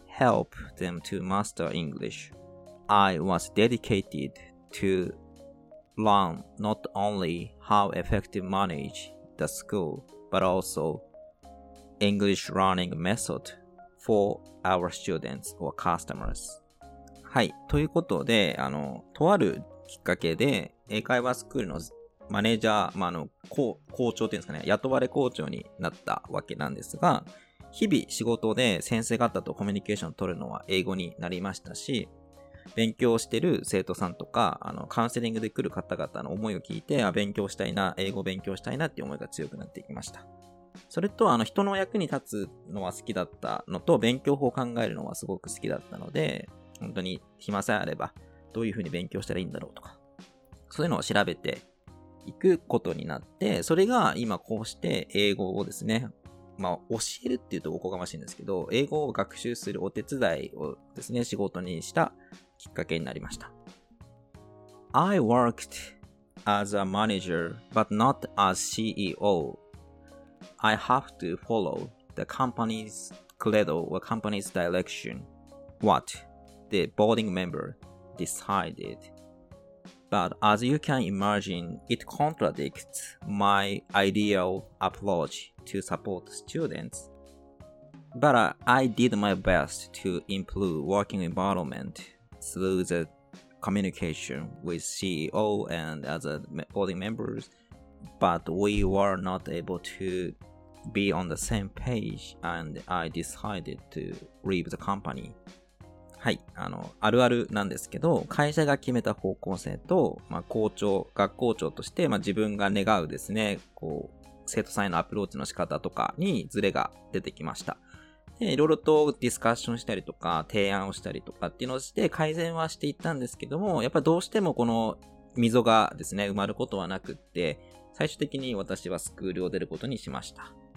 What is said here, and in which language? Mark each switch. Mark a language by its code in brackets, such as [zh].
[en] Help them to master English. I was dedicated to learn not only how effective manage the school, but also English learning method for our students or customers. [ja] はい、ということで、とあるきっかけで英会話スクールのマネージャー、校長っていうんですかね、雇われ校長になったわけなんですが、日々仕事で先生方とコミュニケーションを取るのは英語になりましたし、勉強してる生徒さんとか、カウンセリングで来る方々の思いを聞いて、勉強したいな、英語勉強したいなっていう思いが強くなっていきました。それと、人の役に立つのは好きだったのと、勉強法を考えるのはすごく好きだったので、本当に暇さえあれば、どういうふうに勉強したらいいんだろうとか、そういうのを調べていくことになって、それが今こうして英語をですね、教えるっていうとおこがましいんですけど、英語を学習するお手伝いをですね、仕事にしたきっかけになりました。 [en] I worked as a manager, but not as CEO. I have to follow the company's credo or company's direction, what the boarding member decided. But as you can imagine, it contradicts my ideal approach to support students. But I did my best to improve working environment through the communication with CEO and other board members, but we were not able to be on the same page and I decided to leave the company. [ja] はい、あるあるなんですけど、会社が決めた方向性と、まあ、校長、学校長として、まあ、自分が願うですね、こう、生徒さんへのアプローチの仕方とかにズレが出てきました。で、いろいろとディスカッションしたりとか、提案をしたりとかっていうのをして、改善はしていったんですけども、やっぱりどうしてもこの溝がですね、埋まることはなくって、最終的に私はスクールを出ることにしました。